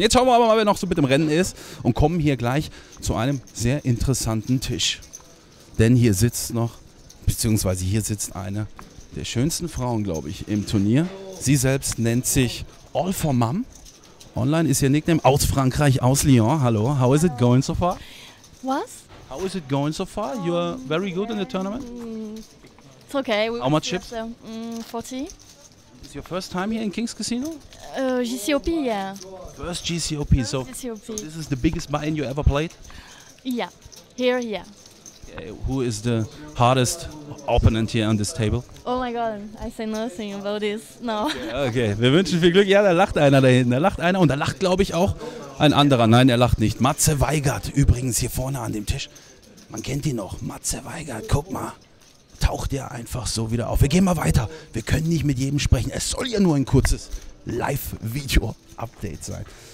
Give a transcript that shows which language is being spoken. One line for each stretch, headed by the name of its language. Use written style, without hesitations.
German: Jetzt schauen wir aber mal, wer noch so mit dem Rennen ist und kommen hier gleich zu einem sehr interessanten Tisch. Denn hier sitzt noch, beziehungsweise hier sitzt eine der schönsten Frauen, glaube ich, im Turnier. Sie selbst nennt sich All for Mom. Online ist ihr Nickname aus Frankreich, aus Lyon.
English: Hallo, how is it going so far?
German: Was?
English: How is it going so far? You are very good in the tournament? It's okay. How much chips? 40. Is your first time here in King's Casino? GCOP, yeah. First GCOP. First so GCOP. This is the biggest buy-in you ever played? Yeah. Here, yeah. Who is the hardest opponent here on this table? Oh my god, I say nothing about this. No.
German: Okay, wir wünschen viel Glück. Ja, da lacht einer da hinten. Da lacht einer und da lacht, glaube ich, auch ein anderer. Nein, er lacht nicht. Matze Weigert übrigens hier vorne an dem Tisch. Man kennt ihn noch. Matze Weigert, guck mal. Taucht er einfach so wieder auf. Wir gehen mal weiter. Wir können nicht mit jedem sprechen. Es soll ja nur ein kurzes Live-Video-Update sein.